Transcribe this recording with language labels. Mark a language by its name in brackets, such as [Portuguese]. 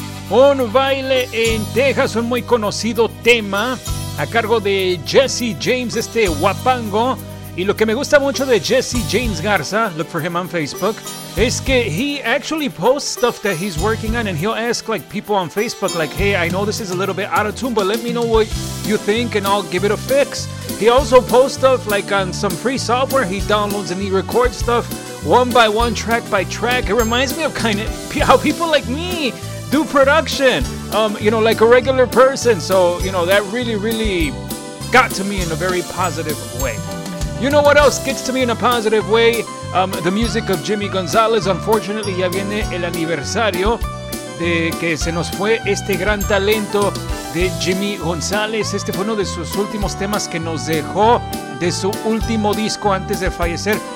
[Spanish] Un baile en Texas, un muy conocido tema a cargo de Jesse James, este huapango. Y lo que me gusta mucho de Jesse James Garza, [English] look for him on Facebook, [Spanish] es que [English] he actually posts stuff that he's working on, and he'll ask like people on Facebook, like, hey, I know this is a little bit out of tune, but let me know what you think and I'll give it a fix. He also posts stuff like on some free software he downloads, and he records stuff one by one, track by track. It reminds me of kind of how people like me do production, you know, like a regular person. So, you know, that really, really got to me in a very positive way. You know what else gets to me in a positive way? The music of Jimmy Gonzalez. Unfortunately, [Spanish] ya viene el aniversario de que se nos fue este gran talento de Jimmy Gonzalez. Este fue uno de sus últimos temas que nos dejó de su último disco antes de fallecer.